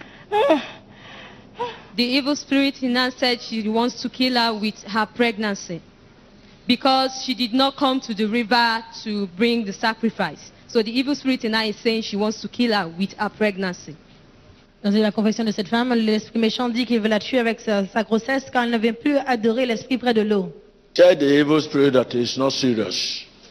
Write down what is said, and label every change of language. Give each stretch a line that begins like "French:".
English: The evil spirit in her said she wants to kill her with her pregnancy. Because she did not come to the river to bring the sacrifice. So the evil spirit in her is saying she wants to kill her with her pregnancy.
French: Dans la confession de cette femme, l'esprit méchant dit qu'il veut la tuer avec sa grossesse car elle ne vient plus adorer l'esprit près de l'eau.
English: Tell the evil spirit that it's not serious.